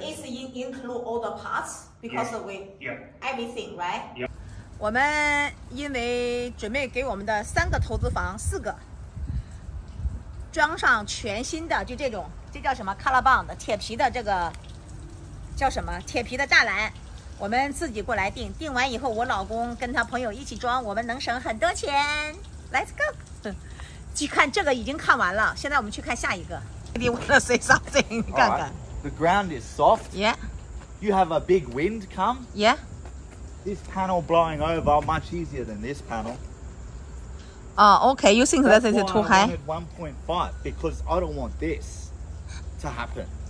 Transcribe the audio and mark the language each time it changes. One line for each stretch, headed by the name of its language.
English: Yeah, it's include all the parts because yeah, of we yeah everything, right? Yeah.
Chinese: 我们因为准备给我们的三个投资房四个装上全新的，就这种，这叫什么 ？Color bond 铁皮的这个叫什么？铁皮的栅栏，我们自己过来订。订完以后，我老公跟他朋友一起装，我们能省很多钱。
English: Let's go.
Chinese: 去看这个已经看完了，现在我们去看下一个。
English: Maybe wanna say something?
Chinese: 看看。
English: The ground is soft. Yeah. You have a big wind come. Yeah. This panel blowing over much easier than this panel. Okay. You think that's too high? That's why I wanted 1.5 because I don't want this to happen.